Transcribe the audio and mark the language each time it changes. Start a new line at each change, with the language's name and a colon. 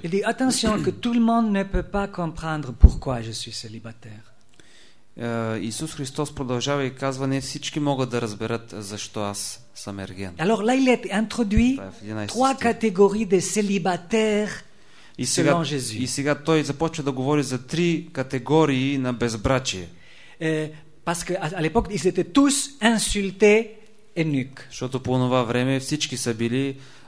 French: Alors, il dit attention que tout le monde ne peut pas comprendre pourquoi je suis célibataire.
Bulgarian: Исус Христос продължава и казва, не всички могат да разберат защо аз съм ерген.
French: Alors là il est introduit trois catégories de célibataires selon Jésus.
Bulgarian: И сега той започва да говори за три категории на безбрачие.
French: Parce que à l'époque ils étaient tous insultés eunuques.
Bulgarian: Защото по това време всички са били